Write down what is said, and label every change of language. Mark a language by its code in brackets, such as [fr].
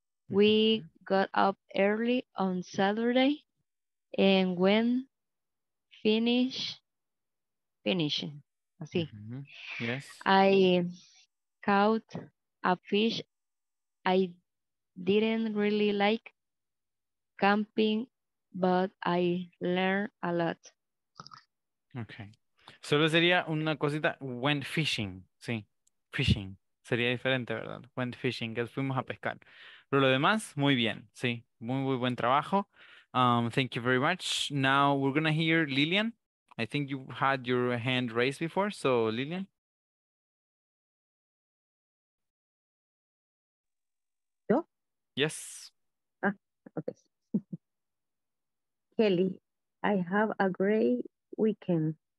[en] We got up early on Saturday and went fishing. [es] Así. [en] Yes. I caught a fish. I didn't really like camping, but I learned a lot. Okay. [es] Solo sería una cosita, [en] went fishing, [es] sí, fishing, sería diferente, ¿verdad? [en] Went fishing, [es] que fuimos a pescar. Pero lo demás, muy bien, sí, muy, muy buen trabajo. [en] Thank you very much. Now we're going to hear Lillian. I think you had your hand raised before, so Lillian. [es] ¿Yo? [en] Yes. Okay. Kelly, I have a great weekend.